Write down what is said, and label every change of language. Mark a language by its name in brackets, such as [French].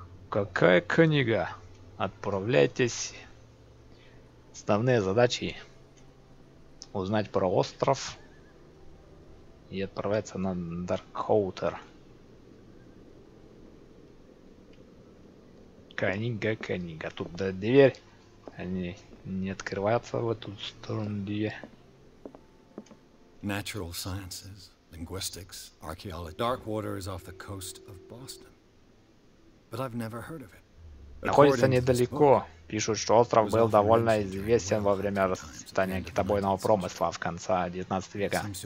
[Russian] Какая книга? Отправляйтесь. Основные задачи — узнать про остров и отправиться на Darkwater. Книга. Тут да, дверь. Они не открываются в эту сторону, где... [English] Natural sciences, linguistics, archaeology. Darkwater is off the coast of Boston. But I've never heard of it. [Russian] Находится недалеко. Пишут, что остров был довольно известен во время расцветания китобойного промысла в конце 19 века.